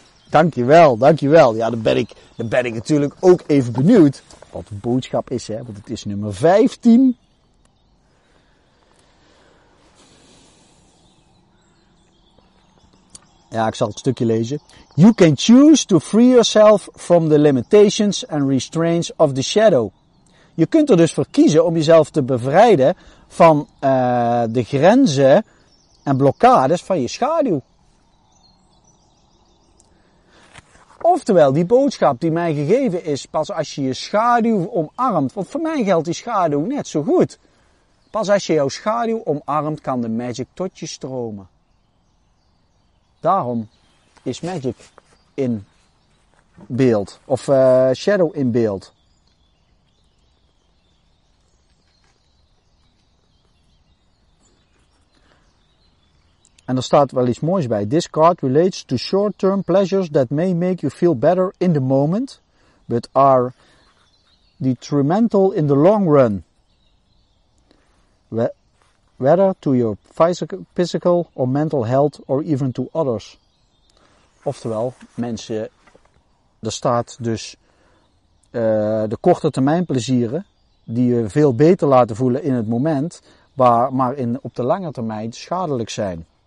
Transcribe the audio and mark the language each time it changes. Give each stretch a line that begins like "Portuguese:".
Dutch: Dankjewel. Ja, dan ben ik natuurlijk ook even benieuwd wat de boodschap is, hè, want het is nummer 15. Ja, ik zal het stukje lezen.
English: You can choose to free yourself from the limitations and restraints of the shadow.
Dutch: Je kunt er dus voor kiezen om jezelf te bevrijden van de grenzen en blokkades van je schaduw. Oftewel, die boodschap die mij gegeven is, pas als je je schaduw omarmt. Want voor mij geldt die schaduw net zo goed. Pas als je jouw schaduw omarmt, kan de magic tot je stromen. Daarom is magic in beeld. Of shadow in beeld. En er staat wel iets moois bij.
English: This card relates to short-term pleasures that may make you feel better in the moment. But are detrimental in the long run. Whether to your physical or mental health or even to others.
Dutch: Oftewel, mensen, er staat dus de korte termijn plezieren die je veel beter laten voelen in het moment, maar op de lange termijn schadelijk zijn.